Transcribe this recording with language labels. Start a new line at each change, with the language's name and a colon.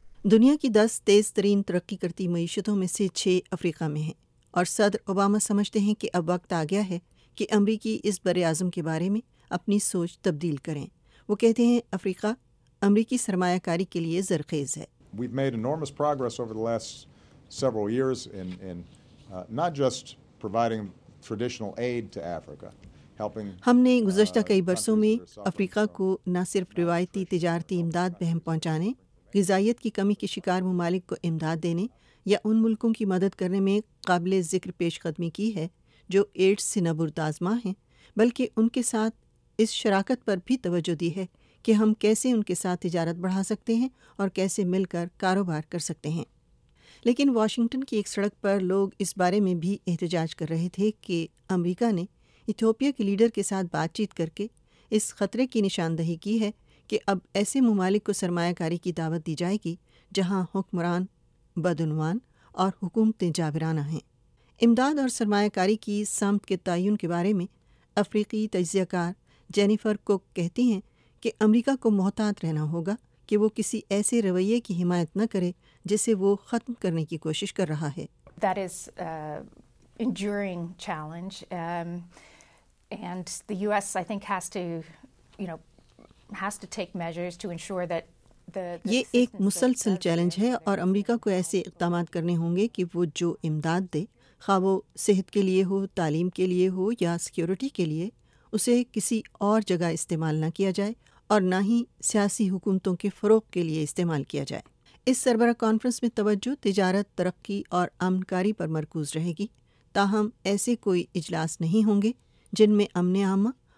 Urdu: دنیا کی 10 تیز ترین ترقی کرتی معیشتوں میں سے 6 افریقہ میں ہیں، اور صدر اوباما سمجھتے ہیں کہ اب وقت آ گیا ہے کہ امریکی اس بر اعظم کے بارے میں اپنی سوچ تبدیل کریں۔ وہ کہتے ہیں افریقہ امریکی سرمایہ کاری کے لیے زرخیز ہے۔
English: We've made enormous progress over the last several years in not just providing traditional aid to Africa.
Urdu: ہم نے گزشتہ کئی برسوں میں افریقہ کو نہ صرف روایتی تجارتی امداد بہم پہنچانے، غذائیت کی کمی کے شکار ممالک کو امداد دینے یا ان ملکوں کی مدد کرنے میں قابل ذکر پیش قدمی کی ہے جو ایڈز سے نبرد آزما ہیں، بلکہ ان کے ساتھ اس شراکت پر بھی توجہ دی ہے کہ ہم کیسے ان کے ساتھ تجارت بڑھا سکتے ہیں اور کیسے مل کر کاروبار کر سکتے ہیں۔ لیکن واشنگٹن کی ایک سڑک پر لوگ اس بارے میں بھی احتجاج کر رہے تھے کہ امریکہ نے ایتھوپیا کے لیڈر کے ساتھ بات چیت کر کے اس خطرے کی نشاندہی کی ہے کہ اب ایسے ممالک کو سرمایہ کاری کی دعوت دی جائے گی جہاں حکمران بدعنوان اور حکومتیں جابرانہ ہیں۔ امداد اور سرمایہ کاری کی سمت کے تعین کے بارے میں افریقی تجزیہ کار جینیفر کوک کہتی ہیں کہ امریکہ کو محتاط رہنا ہوگا کہ وہ کسی ایسے رویے کی حمایت نہ کرے جسے وہ ختم کرنے کی کوشش کر رہا ہے۔
English: That is enduring challenge and the US I think has to take measures to ensure that
Urdu: یہ ایک مسلسل چیلنج ہے اور امریکہ کو ایسے اقدامات کرنے ہوں گے کہ وہ جو امداد دے، خواہ وہ صحت کے لیے ہو، تعلیم کے لیے ہو یا سیکیورٹی کے لیے، اسے کسی اور جگہ استعمال نہ کیا جائے اور نہ ہی سیاسی حکومتوں کے فروغ کے لیے استعمال کیا جائے۔ اس سربراہ کانفرنس میں توجہ تجارت، ترقی اور امن کاری پر مرکوز رہے گی، تاہم ایسے کوئی اجلاس نہیں ہوں گے جن میں امن عامہ